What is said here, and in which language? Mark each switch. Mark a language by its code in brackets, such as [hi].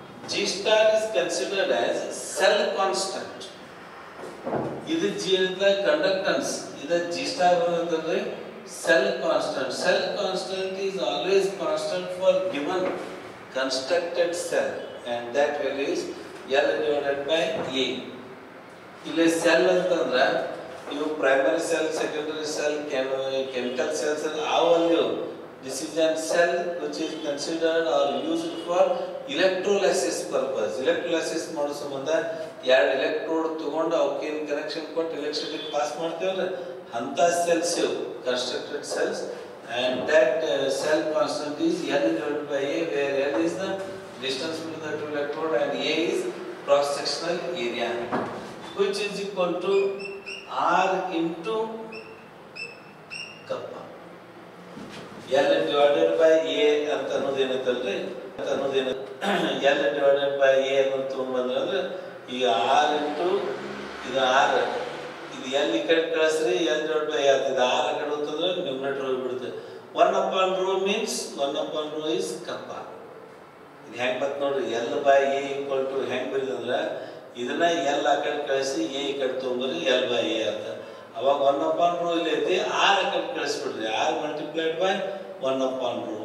[en] G star is considered as cell constant. [kn] ಇದು G ಅಂದ್ರೆ conductance, ಇದು G star ಅಂದ್ರೆ cell constant. [en] Cell constant is always constant for given constructed cell and that value is L divided by A. [kn] ಇಲ್ಲಿ cell ಅಂತಂದ್ರೆ ನೀವು primary cell, secondary cell, chemical cells ಆ value. [en] This is an cell which is considered or used for electrolysis purpose. [kn] ಇಲೆಕ್ಟ್ರೋಲೈಸಿಸ್ ಮಾಡೋ ಸಂಬಂಧ ಎರಡು electrode ತಗೊಂಡು ಅವಕ್ಕೇನು connection ಕೊಟ್ಟು electricity pass ಮಾಡ್ತೇವಲ್ಲ ಅಂತ cells constructed cells. [en] And that cell constant is L divide by A, where L is the distance between the two electrode and A is cross sectional area which is equal to R into kappa. [kn] L divided by A ಅಂತ ಅನ್ನೋದೇನಿದ್ರೆ L divided by A ಅಂತ ಬಂದ್ರೆ ಈಗ R into ಇದು R, ಇದು L ಈ ಕಡೆ ಕಳಿಸ್ರಿ L divided by A, ಇದು R ಕಡೆ ಅಂತಂದ್ರೆ ನ್ಯೂಮರೇಟರ್ ಹೋಗ್ಬಿಡುತ್ತೆ. [en] One upon rho means one upon rho is kappa. [kn] ಇದು ಹೆಂಗ್ ಬರ್ತ ನೋಡ್ರಿ, L by A equal to ಹೆಂಗ್ ಬರೀದಂದ್ರೆ ಇದನ್ನ ಎಲ್ ಆ ಕಡೆ ಕಳಿಸಿ ಎ ಈ ಕಡೆ ತೊಗೊಂಡ್ರಿ ಎಲ್ ಬೈ ಎ ಅಂತ. ಅವಾಗ ಒನ್ ಅಪಾನ್ ರೋ ಇಲ್ಲಿ ಐತಿ, ಆರ್ ಕಡೆ ಕಳಿಸ್ಬಿಡ್ರಿ, [en] R multiplied by one upon rho.